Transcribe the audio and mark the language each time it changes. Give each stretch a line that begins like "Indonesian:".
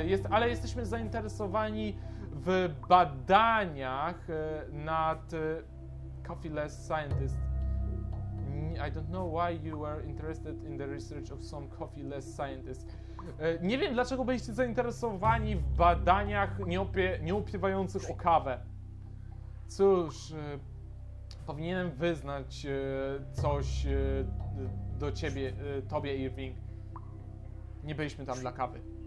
Polish: Ale jesteśmy zainteresowani w badaniach nad
English: coffeeless scientist. I don't know why you were interested in the research of some coffeeless scientist.
Polish: Nie wiem dlaczego byliście zainteresowani w badaniach nieupiewających o kawę. Cóż. Powinienem wyznać coś do ciebie, tobie, Irving. Nie byliśmy tam dla kawy.